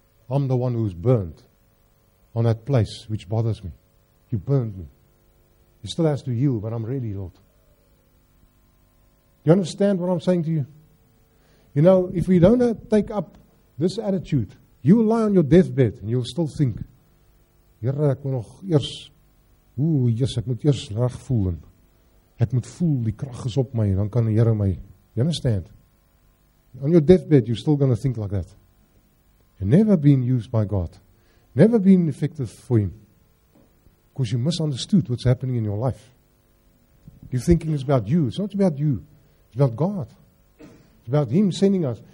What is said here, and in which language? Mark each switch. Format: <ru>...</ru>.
<en>I'm the one who's burned on that place which bothers me. You burned me. He still has to heal, but I'm ready, Lord. You understand what I'm saying to you? You know, if we don't take up this attitude, you will lie on your deathbed and you'll still think,</en> <af>Here, ek moet nog eers. Ooh, yes, ek moet eers reg voel. Ek moet voel die krag is op my, dan kan die Here my.</af> <en>You understand? On your deathbed, you're still going to think like that. You've never been used by God. Never been effective for Him. Because you misunderstood what's happening in your life. You're thinking it's about you. It's not about you. It's about God. It's about Him sending us.</en>